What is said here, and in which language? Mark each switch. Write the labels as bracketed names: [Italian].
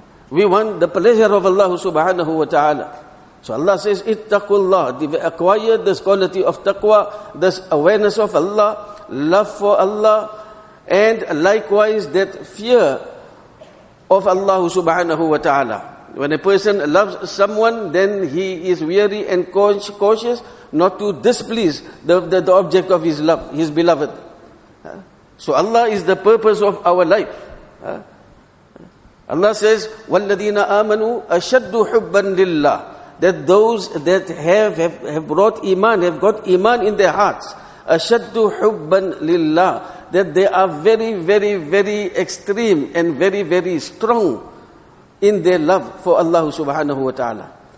[English] We want the pleasure of Allah subhanahu wa ta'ala. So Allah says, ittaqullah, acquire this quality of taqwa, this awareness of Allah, love for Allah, and likewise that fear of Allah subhanahu wa ta'ala. When a person loves someone, then he is wary and cautious not to displease the object of his love, his beloved. So Allah is the purpose of our life. Allah says, [Arabic] وَالَّذِينَ آمَنُوا أَشَدُّ حُبًّا لِلَّهِ. [English] That those that have brought iman, have got iman in their hearts, [Arabic] أَشَدُّ حُبًّا لِلَّهِ. [English] That they are very, very, very extreme and very, very strong in their love for Allah subhanahu wa ta'ala.